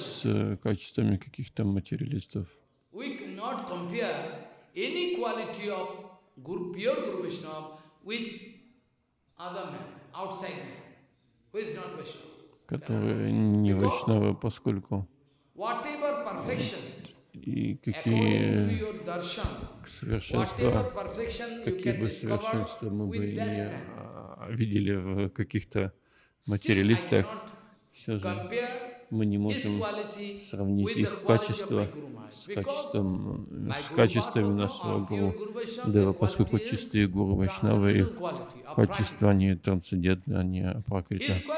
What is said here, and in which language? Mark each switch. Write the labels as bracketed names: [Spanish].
[Russian] С качествами каких-то материалистов. [English] We cannot compare any quality of Guru, pure Guru Vaishnava with other man, outside man, who is not Vaishnava. [Russian] Которые не Вайшнавы, поскольку. [English] Whatever perfection. [Russian] И какие совершенства, какие бы совершенства мы бы не видели в каких-то материалистах, все же мы не можем сравнить их качество с качествами нашего Гуру Дева, поскольку чистые Гуру Вайшнавы, их качества не трансцендентны, они апракрита.